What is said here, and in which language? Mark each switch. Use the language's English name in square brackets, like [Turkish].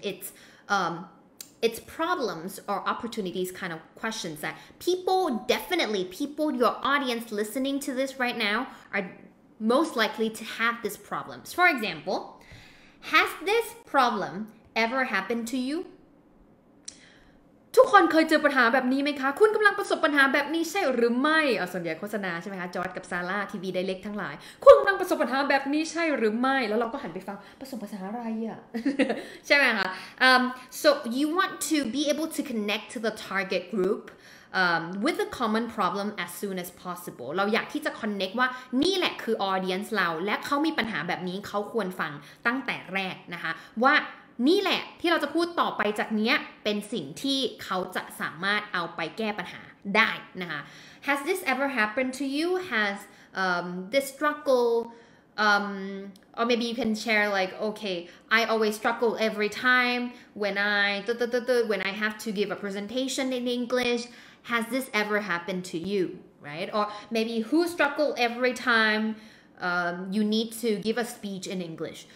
[English] It's problems or opportunities kind of questions that people, your audience listening to this right now, are most likely to have these problems. For example, has this problem ever happened to you? [Thai] ทุกคนเคยเจอปัญหาแบบนี้ไหมคะคุณกำลังประสบปัญหาแบบนี้ใช่หรือไม่ส่วนใหญ่โฆษณาใช่ไหมคะจอร์จกับซาร่าทีวีไดเรกทั้งหลายคุณกำลังประสบปัญหาแบบนี้ใช่หรือไม่แล้วเราก็หันไปฟังประสบปัญหาอะไรอ่ะ ใช่ไหมคะ [English] so you want to be able to connect to the target groupwith a common problem as soon as possible [Thai] เราอยากที่จะ connect ว่านี่แหละคือ audience เราและเขามีปัญหาแบบนี้เขาควรฟังตั้งแต่แรกนะคะว่านี่แหละที่เราจะพูดต่อไปจากเนี้ยเป็นสิ่งที่เขาจะสามารถเอาไปแก้ปัญหาได้นะคะ [English] Has this ever happened to you? Has this struggle or maybe you can share like okay I always struggle every time when I have to give a presentation in English Has this ever happened to you? Right? Or maybe who struggle every timeyou need to give a speech in English.